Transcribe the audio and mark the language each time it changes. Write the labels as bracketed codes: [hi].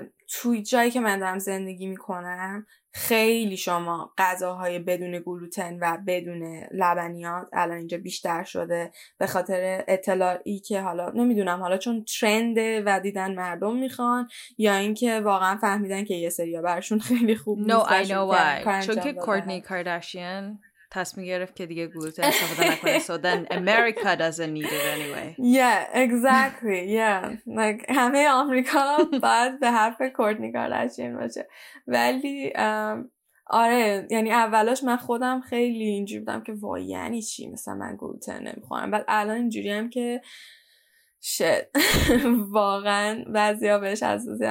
[fa] توی جایی که من دارم زندگی میکنم خیلی شما غذاهای بدون گلوتن و بدون لبنیات الان اینجا بیشتر شده به خاطر اطلاعی که حالا نمیدونم حالا چون ترنده و دیدن مردم میخوان یا اینکه واقعا فهمیدن که یه سری ها برشون خیلی خوب نیست. [en] No, I know why. [fa] چون که کورتنی کارداشیان تصمیم گرفت که دیگه گلوتن استفاده نکنه. [en] So then America doesn't need it anyway. Yeah, exactly. Yeah. [fa] Like همه آمریکا باید به حرف کورتنی کارداشیان باشه. ولی آره یعنی اولاش من خودم خیلی اینجوری بودم که وای یعنی چی مثلا من گلوتن نمیخورم. بعد الان اینجوری هم که شد واقعا بعضیا بهش حساسیم.